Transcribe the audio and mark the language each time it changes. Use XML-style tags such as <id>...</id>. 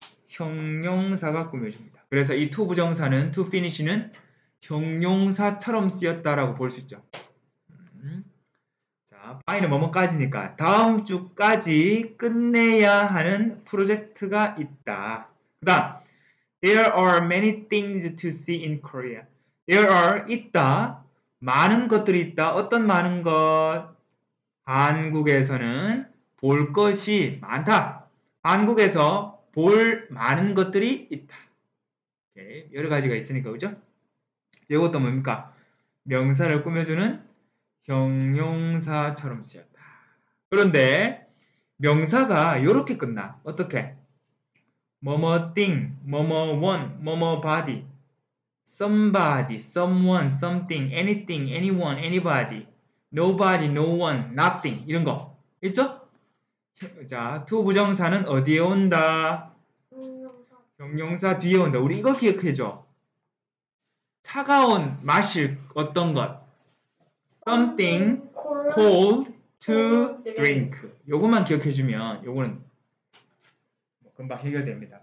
<ko>형용사가 꾸며줍니다. 그래서 이 to 부정사는 to finish는 형용사처럼 쓰였다라고 볼 수 있죠. 파이는 뭐뭐까지니까 다음 주까지 끝내야 하는 프로젝트가 있다. 그 다음</ko> <en>There are many things to see in Korea. There are</en> <ko>있다. 많은 것들이 있다. 어떤 많은 것? 한국에서는 볼 것이 많다. 한국에서 볼 많은 것들이 있다. 여러 가지가 있으니까 그죠? 이것도 뭡니까? 명사를 꾸며주는 형용사처럼 쓰였다. 그런데 명사가 이렇게 끝나. 어떻게? 뭐뭐 thing, 뭐뭐 one, 뭐뭐 body, somebody, someone, something, anything, anyone, anybody, nobody, no one, nothing 이런 거 있죠? 자, to 부정사는 어디에 온다? 형용사 뒤에 온다. 우리 이거 기억해줘. 차가운 마실 어떤 것?</ko> <en>Something cold to drink.</en> <ko>요것만 기억해주면 요거는 금방 해결됩니다.</ko>